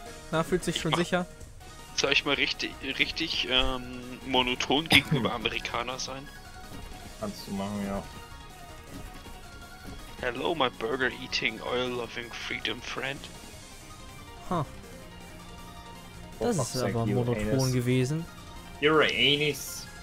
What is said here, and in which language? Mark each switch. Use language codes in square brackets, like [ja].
[de] Na, fühlt sich schon sicher? Soll ich mal richtig monoton gegenüber Amerikaner sein? Kannst du machen, ja. [en] Hello, my burger eating, oil loving freedom friend. Huh. [de] Das ist aber monoton gewesen. [en] You're a anus.